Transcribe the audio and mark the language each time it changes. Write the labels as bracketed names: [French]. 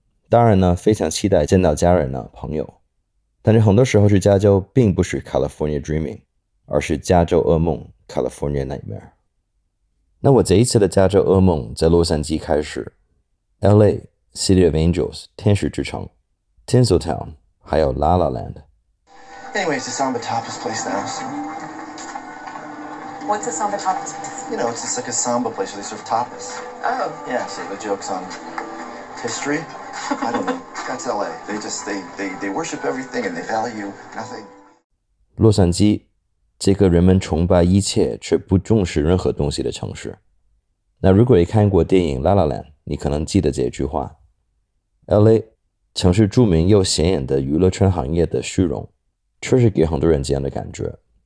[Chinese] 当然呢，非常期待见到家人呢、朋友，但是很多时候去加州并不是 California Dreaming， 而是加州噩梦 California Nightmare。那我这一次的加州噩梦在洛杉矶开始， LA City of Angels 天使之城， Tinseltown 还有 La La Land。 [English] Anyways, it's on the topest place now, so... What's a samba tapas place? You know, it's just like a samba place where they serve tapas. Oh. Yeah, so the joke's on history. I don't know. That's LA. They just, they worship everything and they value nothing. [Chinese] 洛杉矶，这个人们崇拜一切却不重视任何东西的城市。那如果你看过电影《La La Land》，你可能记得这句话。 LA， 城市著名又显眼的娱乐圈行业的虚荣，确实给很多人这样的感觉。